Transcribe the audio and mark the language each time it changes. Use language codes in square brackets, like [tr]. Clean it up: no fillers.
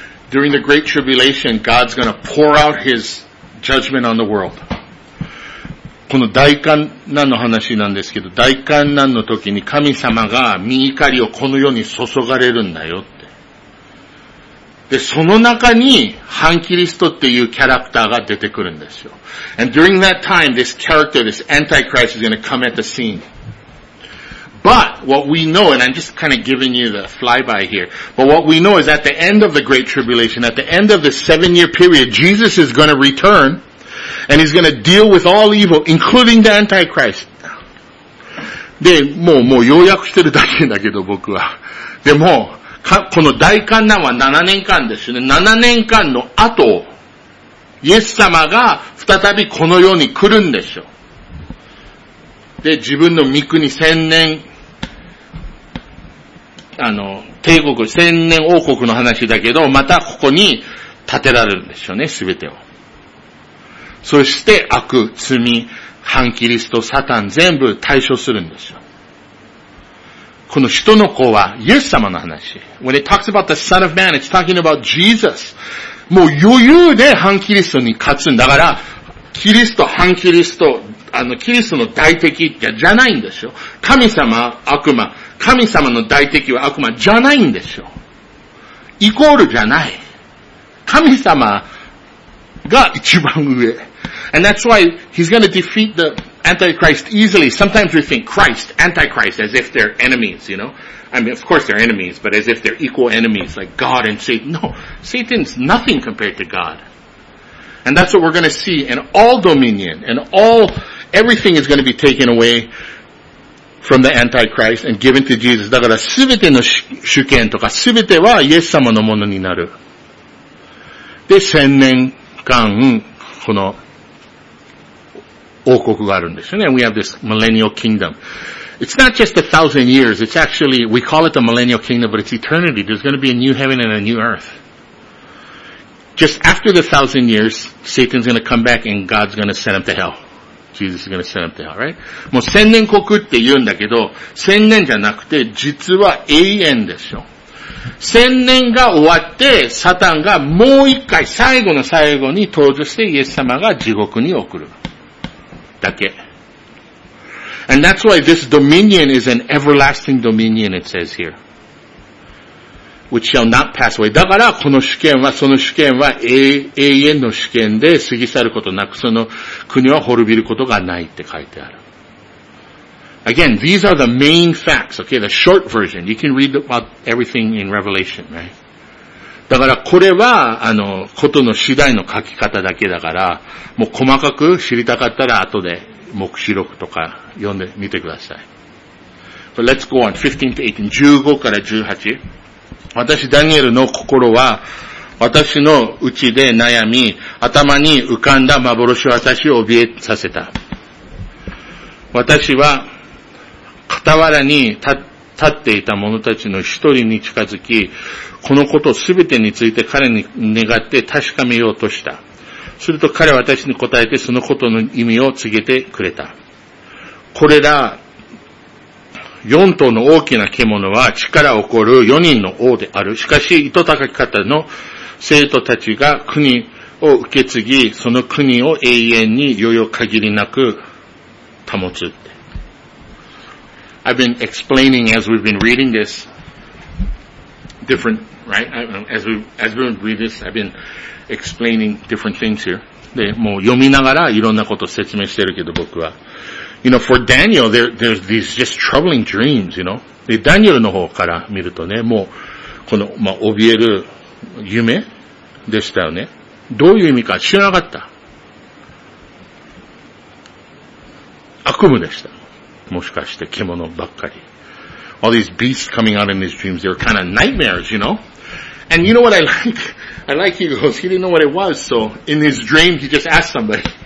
[en] During the Great Tribulation, God's gonna pour out His judgment on the world. [ja] この大患難の話なんですけど、大患難の時に神様が御怒りをこの世に注がれるんだよって。で、その中に、ハンキリストっていうキャラクターが出てくるんですよ。 [en] And during that time, this character, this Antichrist is gonna come at the scene. But what we know, and I'm just kind of giving you the flyby here, but what we know is at the end of the Great Tribulation, at the end of the 7-year period, Jesus is going to return, and He's going to deal with all evil, including the Antichrist. [ja] で、もう要約してるだけだけど僕は。でも、この大患難は7年間ですよね。7年間の後、イエス様が再びこの世に来るんでしょ。で、自分の御国千年、あの、帝国、千年王国の話だけど、またここに建てられるんでしょうね、すべてを。そして、悪、罪、反キリスト、サタン、全部対処するんですよ。この人の子は、イエス様の話。 [en] When it talks about the Son of Man, it's talking about Jesus. [ja] もう余裕で反キリストに勝つんだから、キリスト、反キリスト、あの、キリストの大敵じゃないんでしょ。神様、悪魔。神様の大敵は悪魔じゃないんでしょ。イコールじゃない。神様が一番上。 [en] And that's why he's gonna defeat the Antichrist easily. Sometimes we think Christ, Antichrist, as if they're enemies, you know? I mean, of course they're enemies, but as if they're equal enemies, like God and Satan. No, Satan's nothing compared to God. And that's what we're gonna see in all dominion, in all Everything is going to be taken away from the Antichrist and given to Jesus. [ja] だからすべての主権とかすべてはイエス様のものになる。で、千年間、この王国があるんですよね。 [en] We have this millennial kingdom. It's not just a thousand years. It's actually, we call it the millennial kingdom, but it's eternity. There's going to be a new heaven and a new earth. Just after the thousand years, Satan's going to come back and God's going to send him to hell. Jesus is going to send him to hell, right? [ja] もう千年国って言うんだけど、千年じゃなくて、実は永遠ですよ。千年が終わって、サタンがもう一回、最後の最後に登場して、イエス様が地獄に送る。だけ。 [en] And that's why this dominion is an everlasting dominion, it says here. Which shall not pass away. [ja] だから、この主権は、その主権は永遠の主権で過ぎ去ることなく、その国は滅びることがないって書いてある。 [en] Again, these are the main facts, okay, the short version. You can read about everything in Revelation, right? [ja] だからこれは、ことの次第の書き方だけだから、もう細かく知りたかったら後で、黙示録とか読んでみてください。 [en] But let's go on, 15 to 18, [ja] 15から18。私、ダニエルの心は、私の内で悩み、頭に浮かんだ幻を私を怯えさせた。私は、傍らに立っていた者たちの一人に近づき、このことすべてについて彼に願って確かめようとした。すると彼は私に答えてそのことの意味を告げてくれた。これら四頭の大きな獣は力を誇る四人の王である。しかし、糸高き方の生徒たちが国を受け継ぎ、その国を永遠に余裕限りなく保つ。 [en] I've been explaining as we've been reading this, different, right? I've been explaining different things here. [ja] で、もう読みながらいろんなことを説明してるけど僕は。 You know, for Daniel, there's these just troubling dreams, you know? で、ダニエルの方から見るとね、もう、この、まあ、怯える夢でしたよね。どういう意味か知らなかった。悪夢でした。もしかして獣ばっかり。 [en] All these beasts coming out in his dreams, they're kind of nightmares, you know? And you know what I like? I like he goes, he didn't know what it was, so in his dream he just asked somebody.